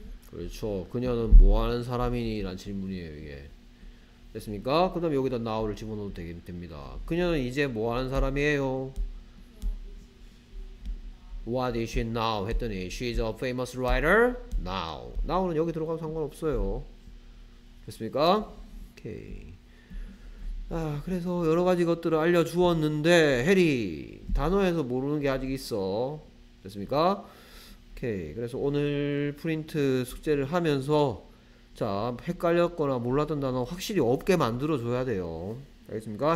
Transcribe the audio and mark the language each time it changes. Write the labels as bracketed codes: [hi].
[ko] 그렇죠. 그녀는 뭐 하는 사람이니? 라는 질문이에요, 이게. 됐습니까? 그 다음 여기다 now를 집어넣어도 됩니다. 그녀는 이제 뭐 하는 사람이에요? [en] What is she now? [ko] 했더니 [en] She's a famous writer now. [ko] now는 여기 들어가도 상관없어요. 됐습니까? 오케이. 그래서 여러 가지 것들을 알려주었는데 해리 단어에서 모르는 게 아직 있어. 됐습니까? 오케이. 그래서 오늘 프린트 숙제를 하면서 자, 헷갈렸거나 몰랐던 단어 확실히 없게 만들어줘야 돼요. 알겠습니까?